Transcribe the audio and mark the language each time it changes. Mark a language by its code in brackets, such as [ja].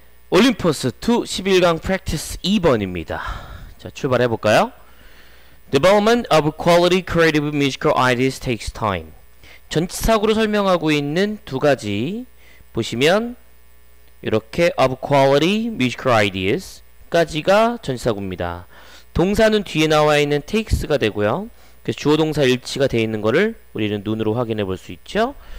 [ko] 올림포스 2 11강 프랙티스 2번입니다. 자, 출발해볼까요? [en] Development of quality creative musical ideas takes time. [ko] 전치사구로 설명하고 있는 두 가지 보시면 이렇게 [en] of quality musical ideas [ko] 까지가 전치사구입니다. 동사는 뒤에 나와 있는 takes가 되고요. 그래서 주어동사 일치가 되어 있는 것을 우리는 눈으로 확인해 볼 수 있죠.